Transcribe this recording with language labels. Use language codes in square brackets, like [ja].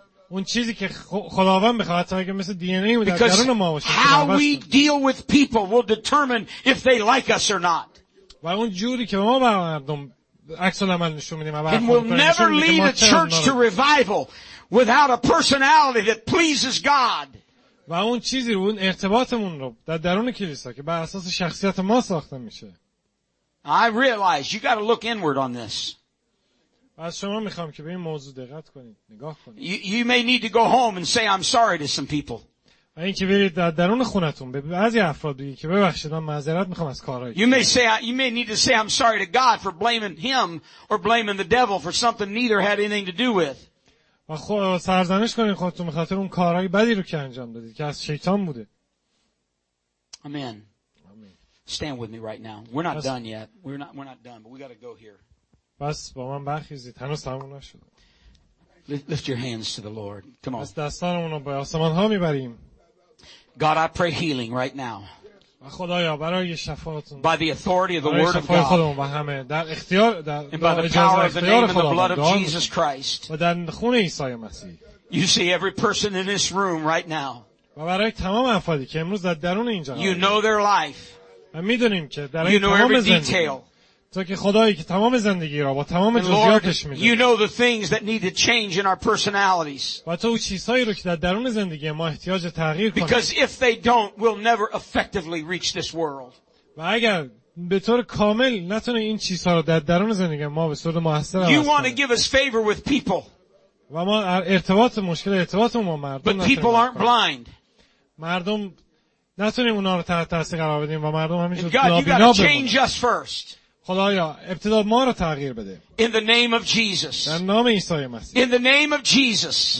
[fa] اون چیزی که خداوند بخواد تا اگه مثل دی ان ای در درون ما باشه [en] how we deal with people will determine if they like us or not. [fa] و اون جوری که ما با مردم عکس العمل نشون میدیم [en] and we'll never lead a church to revival without a personality that pleases God. [fa] و اون چیزی رو اون ارتباطمون رو در درون کلیسا که بر اساس شخصیت ما ساخته میشه. [en] I realize you got to look inward on this. [fa] از شما میخوام که به این موضوع دقت کنید، نگاه کنید. [en] You may need to go home and say I'm sorry to some people. [fa] و اینکه برید در درون خونتون به بعضی افراد بگید که ببخشید من معذرت میخوام از کارهایی. [en] You may need to say I'm sorry to God for blaming him or blaming the devil for something neither had anything to do with. [fa] و سرزنش کنید خودتون به خاطر اون کارهای بدی رو که انجام دادید که از شیطان بوده. [en] Amen. Stand with me right now. We're not done yet. We're not done, but we got to go here. [fa] بس با من برخیزید. هنوز تموم نشد. [en] Lift your hands to the Lord. Come on. [fa] دستانمون رو به آسمان ها میبریم. [en] God, I pray healing right now. [fa] و خدایا برای شفاتون. [en] By the authority of the word of God. [fa] خودمون و همه در اختیار در اجازه اختیار خداوند. و در خون عیسی مسیح. [en] You see every person in this room right now. [fa] و برای تمام افرادی که امروز در درون اینجا هستند. [en] You know their life. [fa] و میدونیم که در این تمام زندگی. تو که خدایی که تمام زندگی را با تمام جزئیاتش می‌دانی. [en] You know the things that need to change in our personalities. [fa] و تو چیزهایی را که در درون زندگی ما احتیاج تغییر کنه. [en] Because if they don't, we'll never effectively reach this world. [fa] و اگر به طور کامل نتونه این چیزها را در درون زندگی ما به صورت موثر [en] You want to give us favor with people. [fa] و ما ارتباط مشکل ارتباط ما مردم. [en] But people aren't blind. [fa] مردم نتونیم اونا رو تحت تاثیر قرار بدیم و مردم همیشه نابینا بمونن. [en] God, you got to change us first. [fa] خدایا ابتدا ما رو تغییر بده. [en] In the name of Jesus. [fa] در نام عیسی مسیح. [en] In the name of Jesus.